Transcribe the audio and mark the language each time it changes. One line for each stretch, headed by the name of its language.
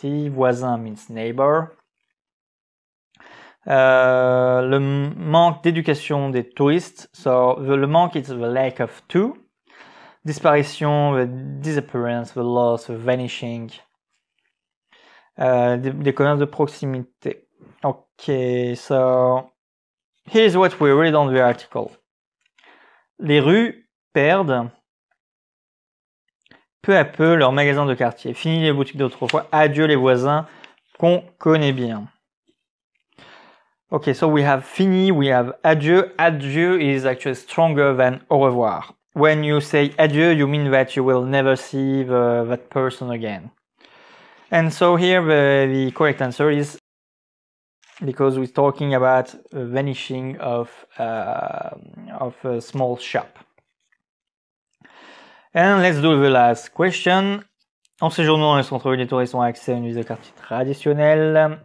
English: Voisin means neighbor.
French: Le manque d'éducation des touristes,
English: so the manque is the lack of too. Disparition, the disappearance, the loss, the vanishing.
French: Des commerces de proximité.
English: Okay, so here's what we read on the article.
French: Les rues perdent peu à peu leurs magasins de quartier. Fini les boutiques d'autrefois, adieu les voisins qu'on connaît bien.
English: Okay, so we have fini, we have adieu. Adieu is actually stronger than au revoir. When you say adieu, you mean that you will never see that person again. And so here the correct answer is because we're talking about vanishing of a small shop. And let's do the last question.
French: En séjournant dans les centres-villes, les touristes ont accès à une vie de quartier traditionnelle.